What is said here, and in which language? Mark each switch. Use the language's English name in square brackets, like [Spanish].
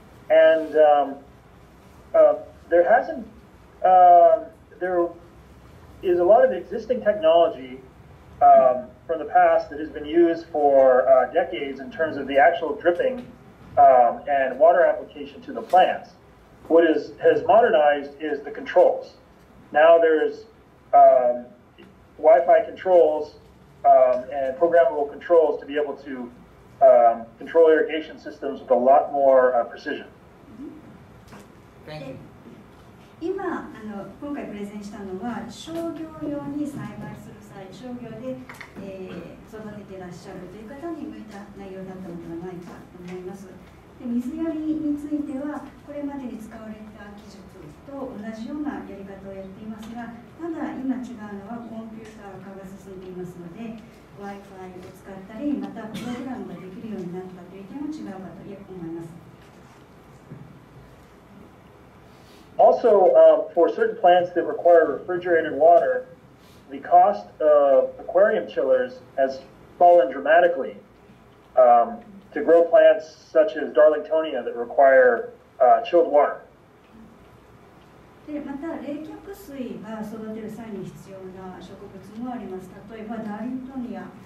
[English] And there hasn't, there is a lot of existing technology from the past that has been used for decades in terms of the actual dripping and water application to the plants. What is has modernized is the controls. Now there's Wi-Fi controls and programmable controls to be able to control irrigation systems with a lot more precision. [Japanese] で今今回プレゼンしたのは商業用に栽培する際商業で、育ててらっしゃるという方に向いた内容だったのではないかと思います。で水やりについてはこれまでに使われた技術と同じようなやり方をやっていますが、ただ今違うのはコンピューター化が進んでいますので、 Wi-Fi を使ったり、またプログラムができるようになったという点も違うかと思います。 [English] Also, for certain plants that require refrigerated water, the cost of aquarium chillers has fallen dramatically. To grow plants such as Darlingtonia that require chilled water. [Japanese] で、また冷却水が育てる際に必要な植物もあります。例えばダーリントニア。